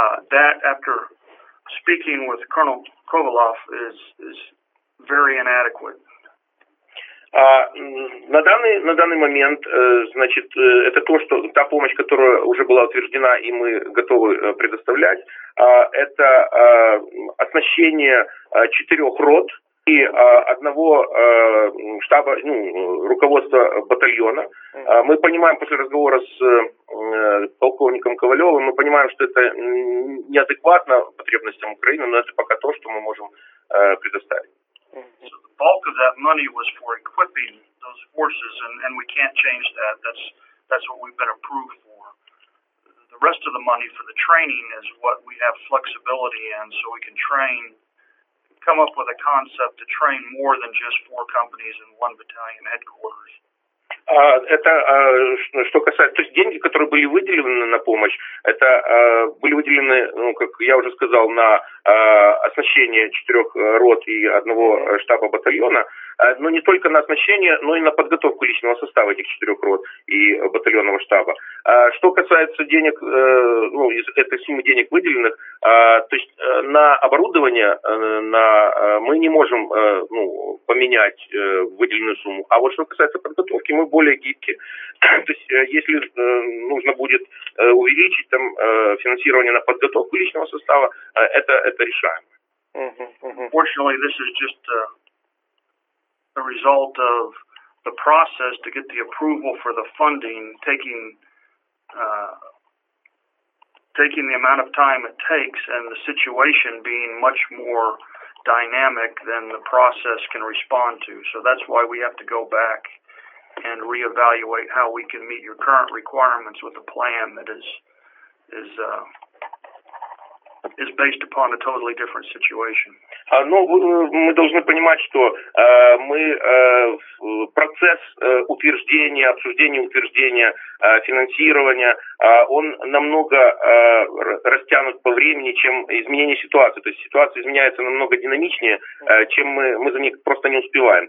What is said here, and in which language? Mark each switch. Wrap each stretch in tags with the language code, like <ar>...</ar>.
<en>That, after speaking with Colonel Kovalov, is very inadequate.</en> <ru>На данный момент, значит, это то, что та помощь, которая уже была утверждена и мы готовы предоставлять, это оснащение четырех рот и одного штаба, ну, руководства батальона. Мы понимаем после разговора с полковником Ковалевым, мы понимаем, что это неадекватно потребностям Украины, но это пока то, что мы можем предоставить.</ru> <en>So the bulk of that money was for equipping those forces, and we can't change that. That's what we've been approved for. The rest of the money for the training is what we have flexibility in, so we can train, come up with a concept to train more than just four companies and one battalion headquarters.</en> <ru>Что касается, то есть деньги, которые были выделены на помощь, это были выделены, ну, как я уже сказал, на оснащение четырех рот и одного штаба батальона, но не только на оснащение, но и на подготовку личного состава этих четырех рот и батальонного штаба. Что касается денег, ну, из этой суммы денег выделенных, то есть на оборудование мы не можем, ну, поменять выделенную сумму, а вот что касается подготовки, мы более гибкие. То есть если нужно будет увеличить там финансирование на подготовку личного состава, это решаемо.</ru> <en>Unfortunately, this is just a result of the process to get the approval for the funding, taking the amount of time it takes, and the situation being much more dynamic than the process can respond to. So that's why we have to go back and reevaluate how we can meet your current requirements with a plan that is based upon a totally different situation.</en> <ru>Мы должны понимать, что мы процесс утверждения, обсуждения утверждения финансирования, он намного растянут по времени, чем изменение ситуации. То есть ситуация изменяется намного динамичнее, чем мы за них просто не успеваем.</ru>